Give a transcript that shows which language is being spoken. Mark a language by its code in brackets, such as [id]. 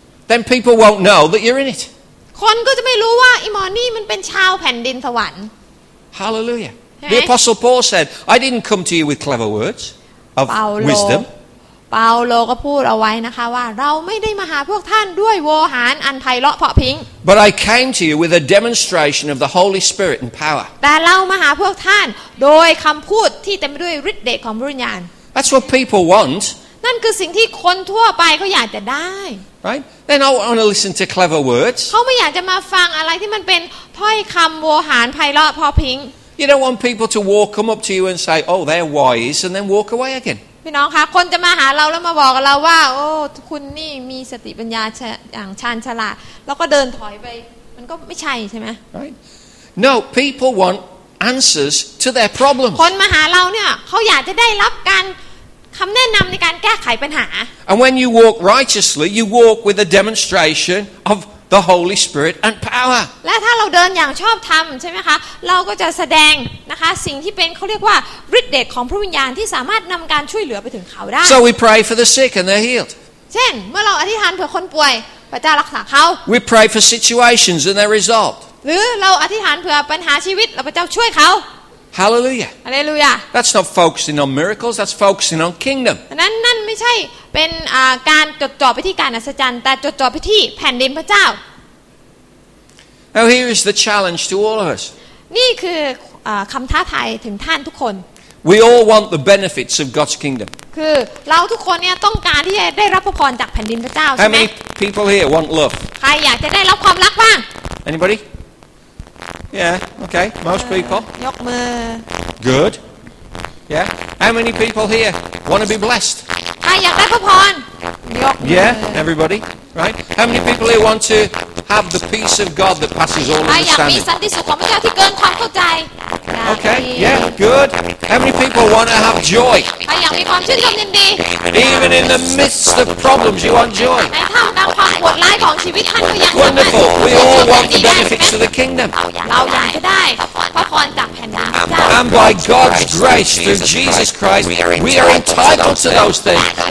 [en] Then people won't know that you're in it [th] คนก็จะไม่รู้ว่าอีมอนนี่มันเป็นชาวแผ่นดินสวรรค์ [en] Hallelujah The Apostle Paul said I didn't come to you with clever words of wisdom [th] เปาโลก็พูดเอาไว้นะคะว่าเราไม่ได้มาหาพวกท่านด้วยโวหารอันไพเราะเพราะพิง [en] But I came to you with a demonstration of the Holy Spirit and power [th] แต่เรามาหาพวกท่านโดยคำพูดที่เต็มไปด้วยฤทธิ์เดชของพระวิญญาณ [en] That's what people want [th] นั่นคือสิ่งที่คนทั่วไปเขาอยากจะได้ [en] Right They don't want to listen to clever words [th] เขาไม่อยากจะมาฟังอะไรที่มันเป็นถ้อยคำโวหารไพเราะเพราะพิง [en] You don't want people to walk come up to you and say oh they're wise and then walk away again [th] พี่น้องคะคนจะมาหาเราแล้วมาบอกเราว่าโอ้คุณนี่มีสติปัญญาอย่างชาญฉลาดแล้วก็เดินถอยไปมันก็ไม่ใช่ใช่ไหม [en] Right No people want answers to their problems [th] คนมาหาเราเนี่ยเขาอยากจะได้รับการคำแนะนำในการแก้ไขปัญหา [en] And when you walk righteously you walk with a demonstration of the Holy Spirit and power [th] และถ้าเราเดินอย่างชอบธรรมใช่ไหมคะเราก็จะแสดงนะคะสิ่งที่เป็นเขาเรียกว่าฤทธิ์เดชของพระวิญญาณที่สามารถนำการช่วยเหลือไปถึงเขาได้ [en] So we pray for the sick and they're healed [th] เช่นเมื่อเราอธิษฐานเผื่อคนป่วยพระเจ้ารักษาเขา [en] We pray for situations and they're resolved [th] หรือเราอธิษฐานเผื่อปัญหาชีวิตแล้วพระเจ้าช่วยเขา [en] Hallelujah. Hallelujah. That's not focusing on miracles. That's focusing on kingdom. [th] นั่นไม่ใช่เป็นการจดจ่อไปที่การอัศจรรย์แต่จดจ่อไปที่แผ่นดินพระเจ้า [en] Now here is the challenge to all of us. [th] นี่คือคำท้าทายถึงท่านทุกคน [en] We all want the benefits of God's kingdom. [th] คือเราทุกคนเนี่ยต้องการที่จะได้รับพระพรจากแผ่นดินพระเจ้าใช่ไหม [en] How many people here want love? [th] ใครอยากจะได้รับความรักบ้าง [en] Anybody? Yeah, okay, most people. [th] ยกมือ [en] Good. Yeah. How many people here want to be blessed? [th] ใครอยากได้พระพรยกมือ [en] Yeah, everybody. Right? How many people here want to have the peace of God that passes all understanding? [th] ใครอยากมีสันติสุขของพระเจ้าที่เกินความเข้าใจ [en] Okay, yeah, good. How many people want to have joy? [th] ใครอยากมีความชื่นชมยินดี [en] Even in the midst of problems, you want joy. Wonderful. We all want the benefits of the kingdom. And by God's grace through Jesus Christ, we are entitled to those things.